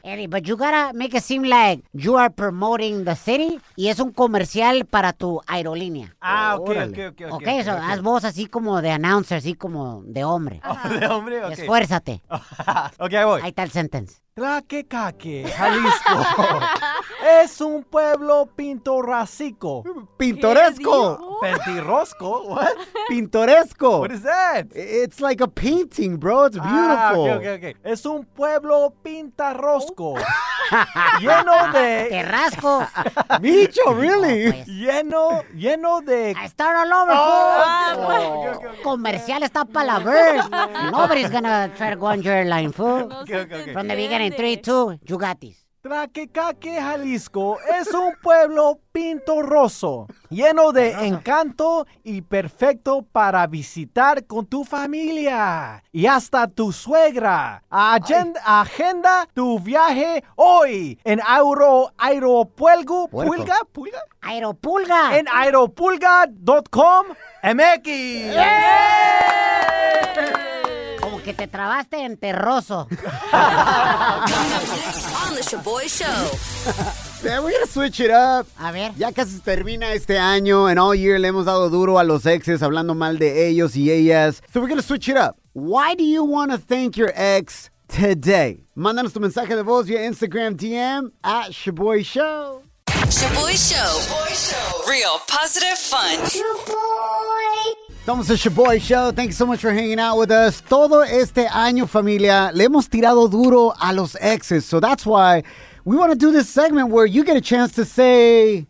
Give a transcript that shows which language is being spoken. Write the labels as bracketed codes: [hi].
[en] Eddie, but you got to make it seem like you are promoting the city, [es] y es un comercial para tu aerolínea. [en] Ah, okay. Okay, so [es] haz voz así como de announcer, así como de hombre. Oh, de hombre, okay. Esfuérzate. Okay, ahí voy. Ahí está el sentence. Tlaquecaque, Jalisco. Es un pueblo pintorrasico. Pintoresco. Pintirosco. [en] What? [es] Pintoresco. [en] What is that? It's like a painting, bro. It's beautiful. [es] Okay. Es un pueblo pintarrosco. Lleno de... Terrasco. [en] Micho, really? [es] Lleno de... [en] I start all over. Oh, [es] Comercial está para la verga. [en] Nobody's gonna try to go on your line, fool. No, okay. From the beginning, 3, 2, you got this. [es] Tlaquecaque, Jalisco, es un pueblo pintorroso, lleno de encanto y perfecto para visitar con tu familia y hasta tu suegra. Agenda tu viaje hoy en Aeropulga. En aeropulga.com.mx. ¡Yeah! Como que te trabaste en terroso. [en] Boy Show. Yeah, we're gonna switch it up. [es] A ver. Ya casi termina este año, [en] and all year [es] le hemos dado duro a los exes, hablando mal de ellos y ellas. [en] So we're gonna switch it up. Why do you want to thank your ex today? [es] Mándanos tu mensaje de voz via Instagram DM at Shaboy Show. [en] Shaboy Show. Shaboy Show. Real positive fun. [es] Shaboy. Estamos en Shaboy Show. [en] Thank you so much for hanging out with us. [es] Todo este año, familia, le hemos tirado duro a los exes. [en] So that's why we want to do this segment where you get a chance to say...